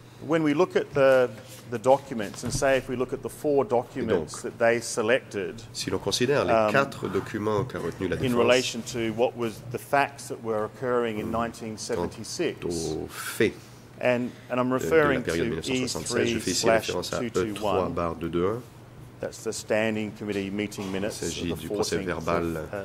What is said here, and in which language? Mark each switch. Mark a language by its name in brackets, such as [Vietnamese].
[English] When we look at the documents, and say if we look at the four documents that they selected, [French] si l'on considère les quatre documents qu'a retenu la défense, [English] in relation to what was the facts that were occurring in 1976, [French] quant aux faits, [English] and I'm referring to E3/221, that's the Standing Committee meeting minutes of the